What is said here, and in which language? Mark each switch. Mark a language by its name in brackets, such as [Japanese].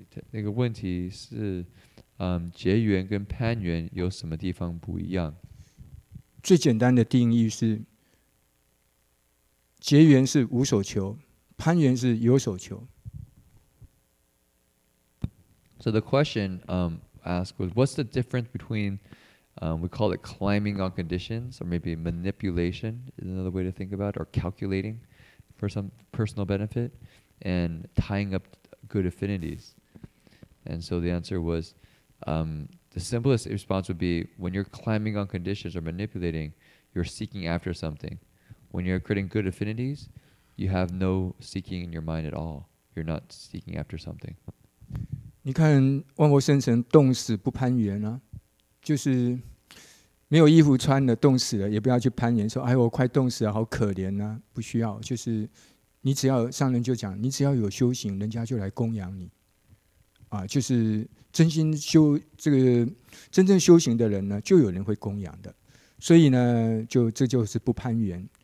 [Chinese] 那个问题是，结缘跟攀缘有什么地方不一样？最简单的定义是，结缘是无所求，攀缘是有所求。 [English] So the question asked was, what's the difference between, we call it climbing on conditions, or maybe manipulation is another way to think about it, or calculating for some personal benefit, and tying up good affinities. And so the answer was, the simplest response would be, when you're climbing on conditions or manipulating, you're seeking after something. When you're creating good affinities, you have no seeking in your mind at all. You're not seeking after something. [Chinese] 你看万佛生成冻死不攀缘啊，就是没有衣服穿了冻死了也不要去攀缘，说哎我快冻死了好可怜啊，不需要。就是你只要上人就讲，你只要有修行，人家就来供养你啊，就是真心修，这个真正修行的人呢就有人会供养的，所以呢就这就是不攀缘。